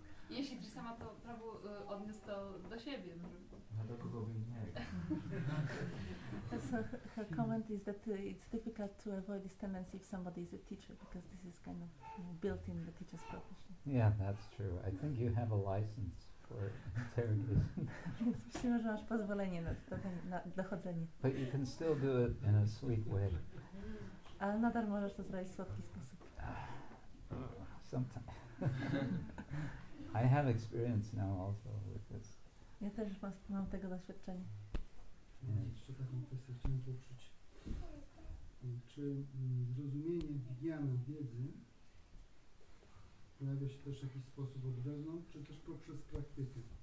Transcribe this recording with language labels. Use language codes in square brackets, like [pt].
[pl] Jeśli ty sama to prawo odniósł to do siebie. No do kogo by nie. [en] So her comment is that it's difficult to avoid this tendency if somebody is a teacher, because this is kind of built in the teacher's profession. Yeah, that's true. I think you have a license for interrogation. [pl] Więc myślimy, że masz pozwolenie na dochodzenie. [en] But you can still do it in a sweet way. [pl] Ale nadal możesz to zrobić w słodki sposób. [en] Sometimes. I have experience now also with this. [pl] Ja też mam tego doświadczenie. Jeszcze taką kwestię chciałem poruszyć. Czy zrozumienie gnianu wiedzy pojawia się też w jakiś sposób od wewnątrz, czy też poprzez praktykę?